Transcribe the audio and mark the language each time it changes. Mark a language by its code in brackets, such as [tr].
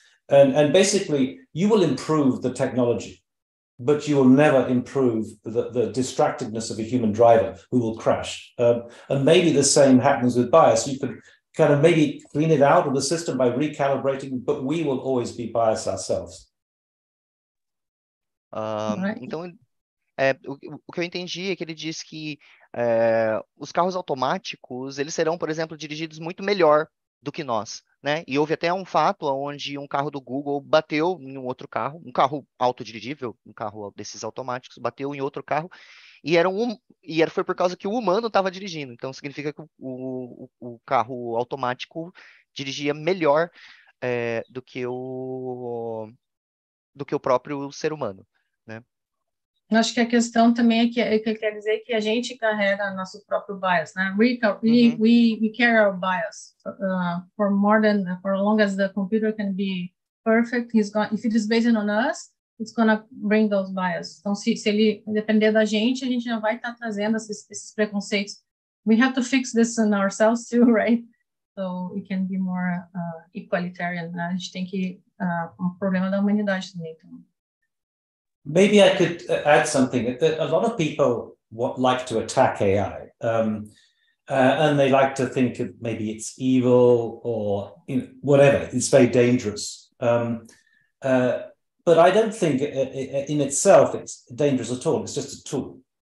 [en] And basically, you will improve the technology, but you will never improve the distractedness of a human driver who will crash. And maybe the same happens with bias. You could kind of maybe clean it out of the system by recalibrating, but we will always be biased ourselves. [pt] Então, o que eu entendi é que ele disse que os carros automáticos, eles serão, por exemplo, dirigidos muito melhor do que nós. Né? E houve até um fato onde um carro do Google bateu em um outro carro, um carro autodirigível, um carro desses automáticos, bateu em outro carro, e foi por causa que o humano estava dirigindo. Então, significa que o carro automático dirigia melhor do que o próprio ser humano. Né? Acho que a questão também é que quer dizer que a gente carrega nosso próprio bias, né? [en] We carry our bias for as long as the computer can be perfect. If it is based on us, it's gonna bring those bias. [pt] Então, se ele depender da gente, a gente já vai estar trazendo esses preconceitos. [en] We have to fix this in ourselves too, right? So we can be more equalitarian. [pt] Né? A gente tem que um problema da humanidade também. Então. [en] Maybe I could add something. A lot of people like to attack AI, and they like to think of maybe it's evil or whatever. It's very dangerous. But I don't think in itself it's dangerous at all. It's just a tool.